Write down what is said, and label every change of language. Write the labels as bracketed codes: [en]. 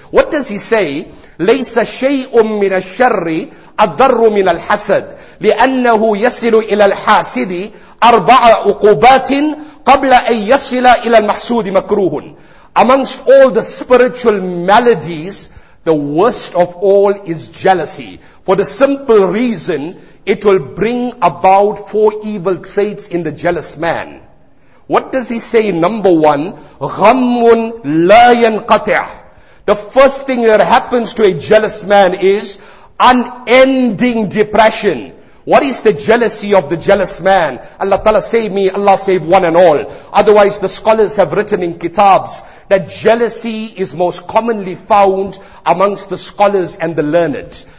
[en] What does he say? [ar] لَيْسَ شَيْءٌ مِّنَ الشَّرِّ أَضَرُّ مِنَ الْحَسَدِ لِأَنَّهُ يَسِلُ إِلَى الْحَاسِدِ أَرْبَعَ أُقُوبَاتٍ قَبْلَ أَن يَسِلَ إِلَى الْمَحْسُودِ مَكْرُوهٌ. [en] Amongst all the spiritual maladies, the worst of all is jealousy. For the simple reason, it will bring about four evil traits in the jealous man. What does he say? Number one, [ar] غَمٌّ لَا يَنْقَطِعُ. [en] The first thing that happens to a jealous man is unending depression. What is the jealousy of the jealous man? Allah Ta'ala save me, Allah save one and all. Otherwise, the scholars have written in kitabs that jealousy is most commonly found amongst the scholars and the learned.